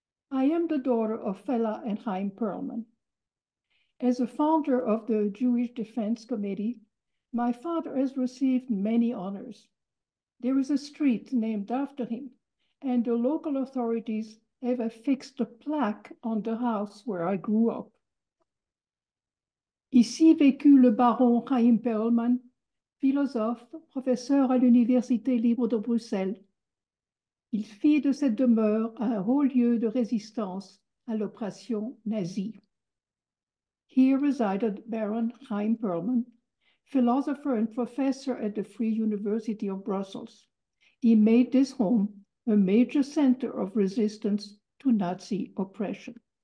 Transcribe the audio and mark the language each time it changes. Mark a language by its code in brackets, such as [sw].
[en] I am the daughter of Fela and Heim Perlman. As a founder of the Jewish Defense Committee, my father has received many honors. There is a street named after him, and the local authorities have affixed a plaque on the house where I grew up. [fr] Ici vécu le baron Heim Perlman, philosophe, professeur à l'Université libre de Bruxelles. Il fit de cette demeure un haut lieu de résistance à l'oppression nazie. [en] Here resided Baron Heim Perlman, philosopher and professor at the Free University of Brussels. He made this home a major center of resistance to Nazi oppression.